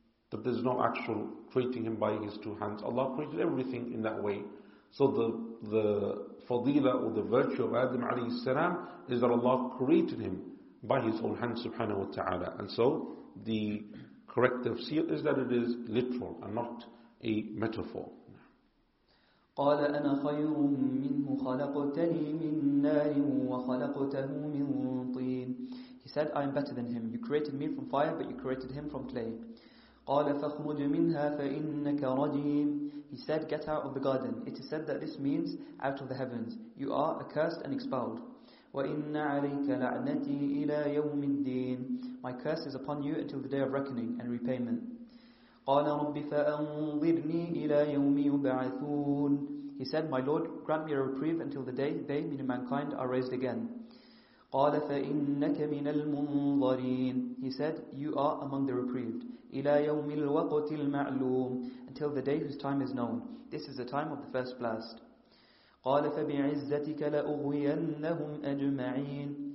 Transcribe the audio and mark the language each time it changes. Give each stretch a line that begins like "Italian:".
English: That there's no actual creating him by his two hands. Allah created everything in that way. So the fadila or the virtue of Adam alayhi salam is that Allah created him by his own hands subhanahu wa ta'ala. And so the correct tafsir is that it is literal and not a metaphor.
Arabic: قال أنا خير منه خلقتني من نار وخلقته من طين.
English: He said, I am better than him. You created me from fire, but you created him from clay.
Arabic: قال فخرج منها فإنك رجيم.
English: He said, get out of the garden. It is said that this means out of the heavens. You are accursed and expelled.
Arabic: وإن عليك لعنتي إلى يوم الدين.
English: My curse is upon you until the day of reckoning and repayment.
Arabic: قال رب فأنظرني إلى يوم يبعثون.
English: He said, my Lord, grant me a reprieve until the day they, meaning mankind, are raised again.
Arabic: قال فإنك من المنظرين.
English: He said, you are among the reprieved.
Arabic: إلى يوم الوقت المعلوم.
English: Until the day whose time is known. This is the time of the first blast.
Arabic: قال فبعزتك لأغوينهم أجمعين.